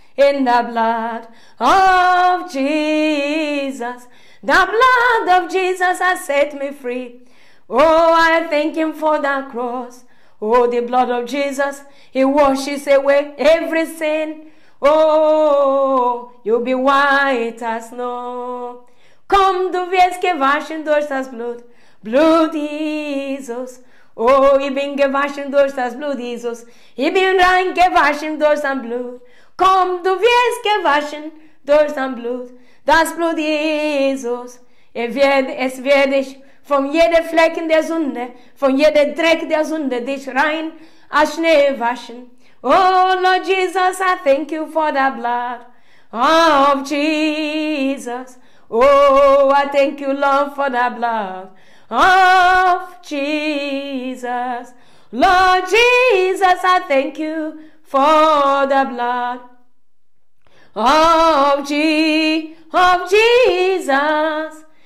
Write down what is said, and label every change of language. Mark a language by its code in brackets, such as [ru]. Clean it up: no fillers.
[en] in the blood of Jesus. The blood of Jesus has set me free. Oh, I thank him for the cross. Oh, the blood of Jesus, he washes away every sin. Oh, you'll be white as snow. [de] Komm, du wirst gewaschen durch das Blut, Blut Jesus. Oh, ich bin gewaschen durch das Blut Jesus. Ich bin rein gewaschen durch das Blut. Komm, du wirst gewaschen durch das Blut Jesus. Es wird dich von jeder Flecken der Sünde, von jeder Dreck der Sünde, dich rein als Schnee waschen. [en] Oh, Lord Jesus, I thank you for the blood of Jesus. Oh, I thank you, Lord, for the blood of Jesus. Lord Jesus, I thank you for the blood of Jesus.